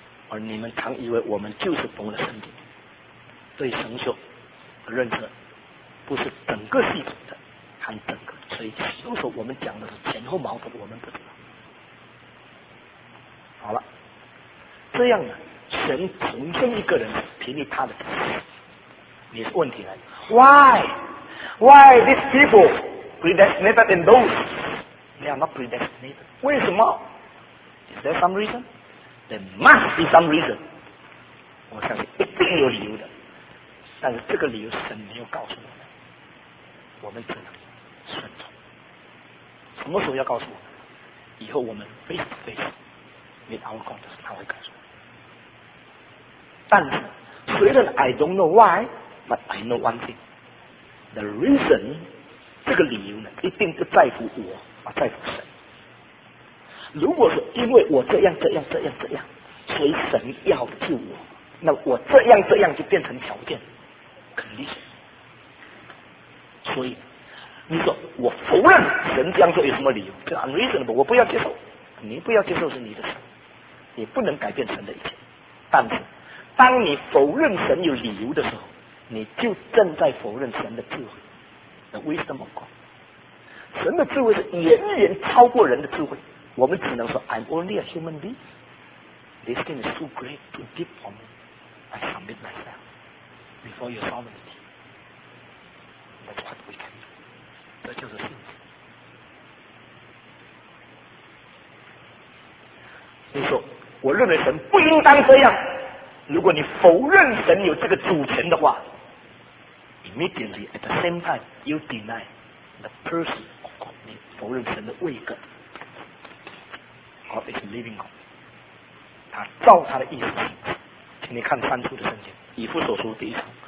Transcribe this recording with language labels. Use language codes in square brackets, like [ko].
[zh] 而你们常以为我们就是懂了圣经，对神学的认识不是整个系统的，看整个，所以有时候我们讲的是前后矛盾，我们不知道。好了，这样呢，神重生一个人，凭你他的本事，你是问题来了。 [en] Why these people predestinated in those? They are not predestinated. [zh] 为什么？ [en] Is there some reason? There must be some reason. [zh] 我相信一定有理由的，但是这个理由神没有告诉我们，我们只能顺从。什么时候要告诉我们？以后我们 [en] face to face with our God [zh] 的时候，他会告诉我们。但是虽然 [en] I don't know why, but I know one thing. The reason [zh] 这个理由呢，一定不在乎我，而在乎神。如果说因为我这样这样这样这样，所以神要救我，那我这样这样就变成条件，肯定是。所以你说我否认神这样做有什么理由？这 unreasonable， 我不要接受。你不要接受是你的事，你不能改变神的一切。但是当你否认神有理由的时候，你就正在否认神的智慧 ， [en] the wisdom of God。 [zh] 神的智慧是远远超过人的智慧。我们只能说 [en] I'm only a human being. This thing is too great, too deep for me. I submit myself before your sovereignty. That's what we can do. [zh] 这就是信心。你说我认为神不应当这样，如果你否认神有这个主权的话， [en] immediately at the same time you deny the person of God. [zh] 你否认神的位格， [en] God is living God. [zh] 他照他的意思，请你看三处的圣经，以弗所书第一章。